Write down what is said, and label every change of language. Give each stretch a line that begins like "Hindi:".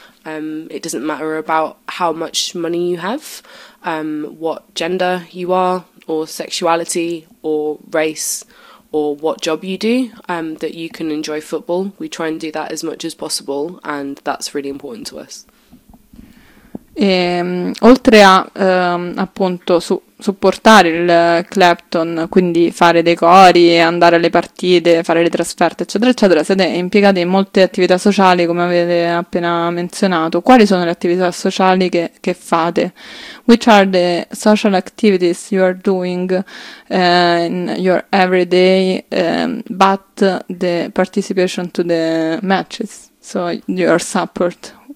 English: It doesn't matter about how much money you have, what gender you are, or sexuality, or race, or what job you do, that you can enjoy football. We try and do that as much as possible, and that's really important to us.
Italian: E, oltre a appunto supportare il Clapton, quindi fare dei cori, andare alle partite, fare le trasferte, eccetera, eccetera, siete impiegati in molte attività sociali, come avete appena menzionato. Quali sono le attività sociali che fate?
English: Which are the social activities you are doing in your everyday but the participation to the matches, so your support?